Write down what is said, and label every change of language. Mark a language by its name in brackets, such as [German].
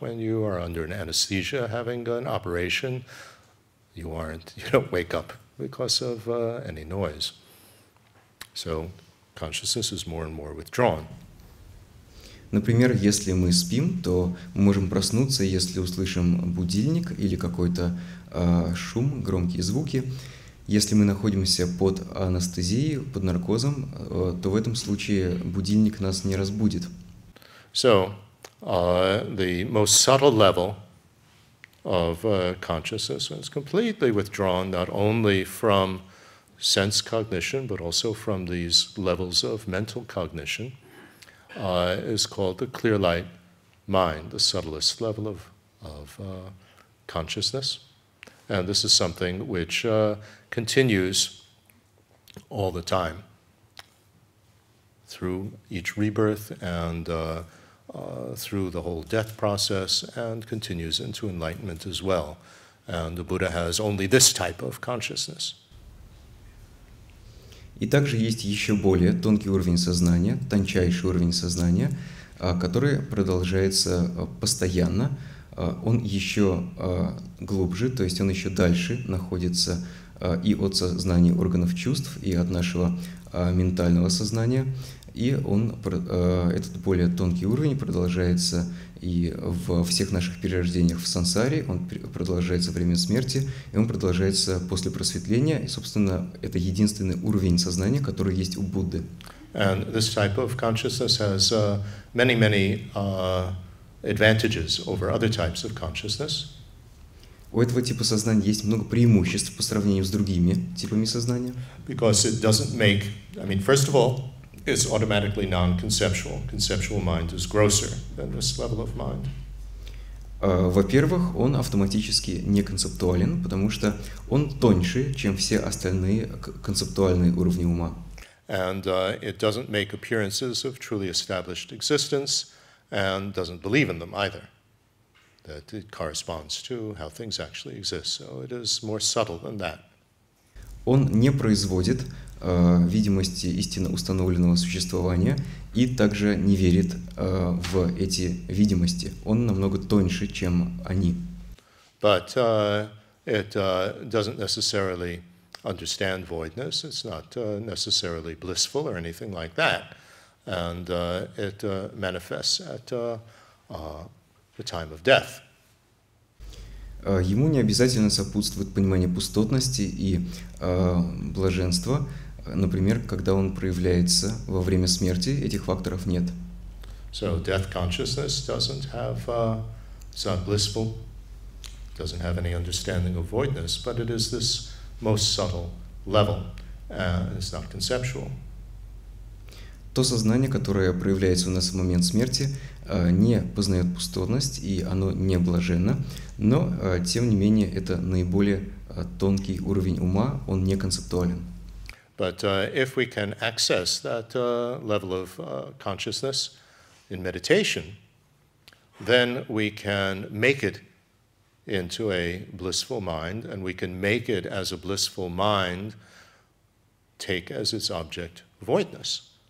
[English] When you are under an anesthesia, having an operation, you don't wake up because of any noise. So consciousness is more and more withdrawn. [Russian] Например, если мы спим, то мы можем проснуться, если услышим будильник или какой-то шум, громкие звуки. Если мы находимся под анестезией, под наркозом, то в этом случае будильник нас не разбудит. [English] So, the most subtle level of consciousness is completely withdrawn not only from sense cognition, but also from these levels of mental cognition, is called the clear light mind, the subtlest level of consciousness. And this is something which continues all the time through each rebirth and through the whole death process and continues into enlightenment as well. And the Buddha has only this type of consciousness. [Russian] И также есть еще более тонкий уровень сознания, тончайший уровень сознания, который продолжается постоянно. Он еще глубже, то есть он еще дальше находится и от сознания органов чувств, и от нашего ментального сознания. И он, этот более тонкий уровень продолжается и во всех наших перерождениях в сансаре, он продолжается во время смерти, и он продолжается после просветления. И, собственно, это единственный уровень сознания, который есть у Будды. [English] And this type of consciousness has many advantages over other types of consciousness. [Russian] У этого типа сознания есть много преимуществ по сравнению с другими типами сознания. [English] Because it doesn't make, first of all, is automatically non-conceptual. Conceptual mind is grosser than this level of mind. [Russian] Во-первых, он автоматически не концептуален, потому что он тоньше, чем все остальные концептуальные уровни ума. [English] And it doesn't make appearances of truly established existence and doesn't believe in them either. That it corresponds to how things actually exist. So it is more subtle than that. [Russian] Он не производит видимости истинно установленного существования и также не верит в эти видимости. Он намного тоньше, чем они. [English] But it doesn't necessarily understand voidness. It's not necessarily blissful or anything like that. And it manifests at the time of death. [Russian] Ему не обязательно сопутствует понимание пустотности и блаженства, например, когда он проявляется во время смерти, этих факторов нет. [English] So death consciousness doesn't have, it's not blissful, doesn't have any understanding of voidness, but it is this most subtle level, it's not conceptual. [Russian] То сознание, которое проявляется у нас в момент смерти, не познает пустотность, и оно не блаженно, но, тем не менее, это наиболее тонкий уровень ума, он не концептуален. [English] But if we can access that level of consciousness in meditation, then we can make it into a blissful mind, and we can make it as a blissful mind take as its object voidness.